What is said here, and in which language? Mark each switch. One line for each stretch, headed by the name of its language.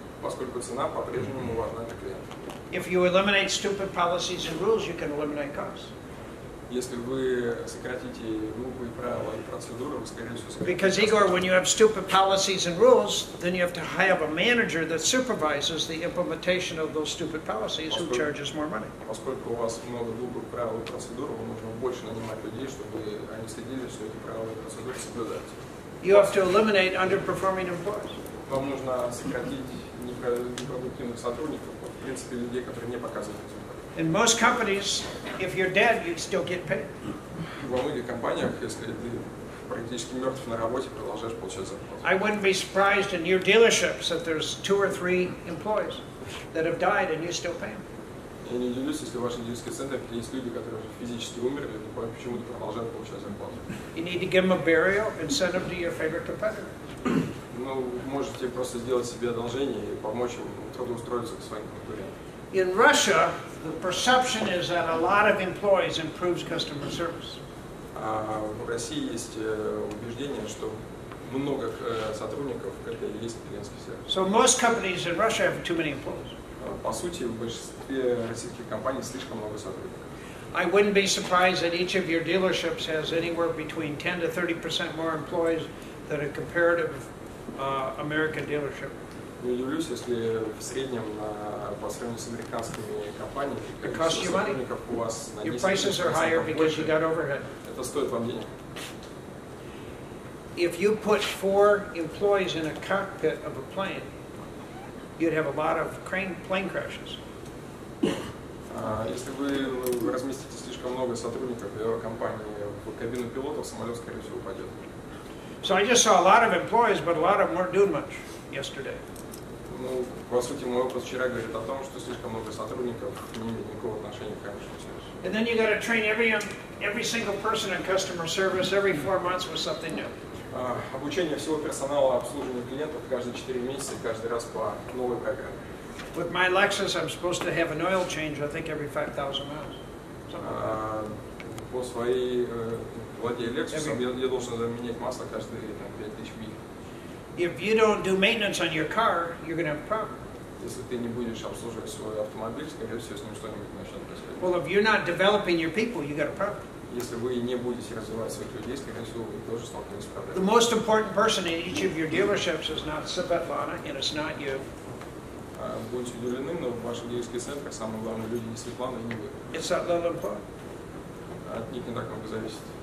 Russian: Поскольку цена по-прежнему важна для клиента.
English: If you eliminate stupid policies and rules, you can eliminate costs.
Russian: Если вы сократите глупые правила и процедуры, вы скорее всего.
English: Because Igor, when you have stupid policies and rules, then you have to have a manager that supervises the implementation of those stupid policies, who charges more money.
Russian: Поскольку у вас много глупых правил и процедур, вам нужно больше нанимать людей, чтобы они следили, что эти правила и процедуры соблюдаются.
English: You have to eliminate underperforming employees.
Russian: Вам нужно сократить непродуктивных сотрудников. В принципе, людей, которые не показывают.
English: In most companies, if you're dead, you still get paid.
Russian: Во многих компаниях, если ты практически мертв на работе, продолжаешь получать зарплату.
English: I wouldn't be surprised in your dealerships that there's two or three employees that have died and you still pay.
Russian: Я не удивлюсь, если в вашем дилерском центре есть люди, которые физически умерли, но почему-то продолжают получать зарплату.
English: You need to give them a burial and send them to your favorite competitor.
Russian: Ну, можете просто сделать себе одолжение и помочь им трудоустроиться к своим конкурентам.
English: In Russia, the perception is that a lot of employees improves customer service.
Russian: В России есть убеждение, что много сотрудников это и есть клиентский сервис.
English: So most companies in Russia have too many employees.
Russian: По сути, в большинстве российских компаний слишком много сотрудников.
English: I wouldn't be surprised that each of your dealerships has anywhere between 10-30% more employees than a comparative American dealership.
Russian: Не удивлюсь, если в среднем по сравнению с американскими компаниями сотрудников у вас на 10% больше. Это стоит вам денег.
English: If you put 4 employees in a cockpit of a plane, you'd have a lot of plane crashes.
Russian: Если вы разместите слишком много сотрудников в компании в кабину пилота, самолет скорее всего упадет.
English: So I just saw a lot of employees, but a lot of them weren't doing much yesterday.
Russian: Ну, по сути, мой опыт вчера говорит о том, что слишком много сотрудников не имеет никакого отношения к хорошему сервису.
English: And then you got to train every single person in customer service every 4 months with something new.
Russian: Обучение всего персонала обслуживания клиентов каждые 4 месяца, каждый раз по новой программе.
English: With my Lexus, I'm supposed to have an oil change, I think, every 5,000 miles.
Russian: По своей владею Lexus, я должен заменять масло каждые 5000 миль.
English: If you don't do maintenance on your car, you're going to have a problem.
Russian: Если ты не будешь обслуживать свой автомобиль, скорее всего, с ним что-нибудь начнет происходить.
English: Well, if you're not developing your people, you got a problem.
Russian: Если вы не будете развивать своих людей, скорее всего, вы тоже столкнетесь с проблемой.
English: The most important person in each of your dealerships is not Svetlana, and it's not you.
Russian: Будьте удивлены, но в ваших дилерских центрах самые главные люди не Светлана и не вы.
English: It's that little part.
Russian: От них не так много зависит.